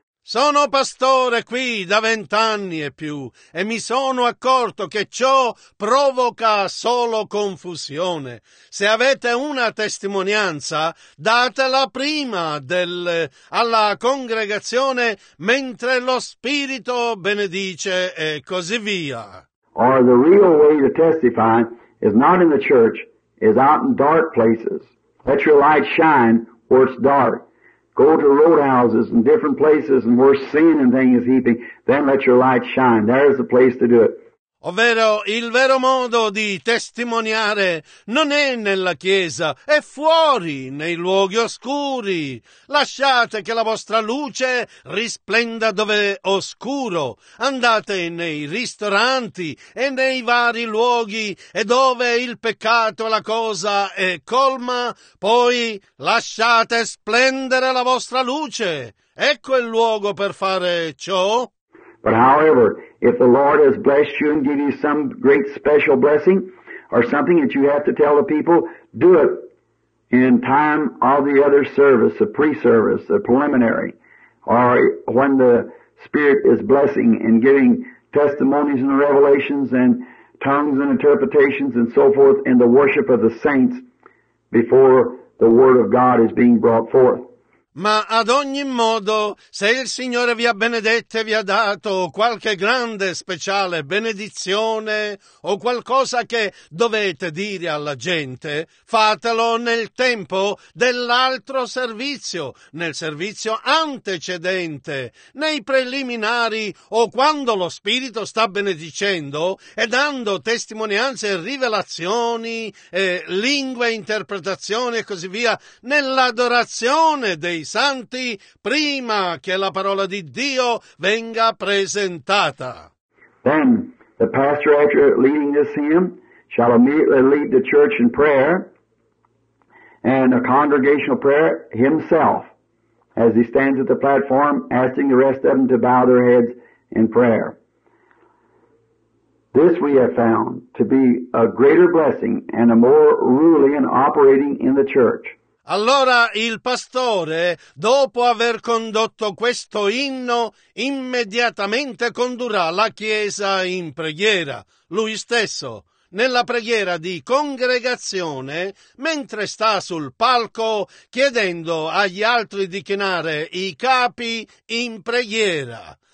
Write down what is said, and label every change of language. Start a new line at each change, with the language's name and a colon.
Italian: Sono pastore qui da 20 anni e più e mi sono accorto che ciò provoca solo confusione. Se avete una testimonianza, datela prima alla congregazione mentre lo Spirito benedice e così via.
English: Or the real way to testify is not in the church, is out in dark places. Let your light shine where it's dark. Go to roadhouses and different places and where sin and things heaping, then let your light shine. There is the place to do it.
Italian: Ovvero, il vero modo di testimoniare non è nella chiesa, è fuori, nei luoghi oscuri. Lasciate che la vostra luce risplenda dove è oscuro. Andate nei ristoranti e nei vari luoghi e dove il peccato e la cosa è colma, poi lasciate splendere la vostra luce. Ecco il luogo per fare ciò.
English: But however, if the Lord has blessed you and given you some great special blessing or something that you have to tell the people, do it in time of the other service, the pre-service, the preliminary, or when the Spirit is blessing and giving testimonies and revelations and tongues and interpretations and so forth in the worship of the saints before the Word of God is being brought forth.
Italian: Ma ad ogni modo, se il Signore vi ha benedetto e vi ha dato qualche grande speciale benedizione o qualcosa che dovete dire alla gente, fatelo nel tempo dell'altro servizio, nel servizio antecedente, nei preliminari o quando lo Spirito sta benedicendo e dando testimonianze, rivelazioni, lingue, interpretazioni e così via, nell'adorazione dei santi prima che la parola di Dio venga presentata.
English: Then the pastor, after leading this hymn, shall immediately lead the church in prayer and a congregational prayer himself as he stands at the platform asking the rest of them to bow their heads in prayer. This we have found to be a greater blessing and a more ruling and operating in the church.
Italian: Allora il pastore, dopo aver condotto questo inno, immediatamente condurrà la chiesa in preghiera, lui stesso, nella preghiera di congregazione, mentre sta sul palco, chiedendo agli altri di chinare i capi in preghiera.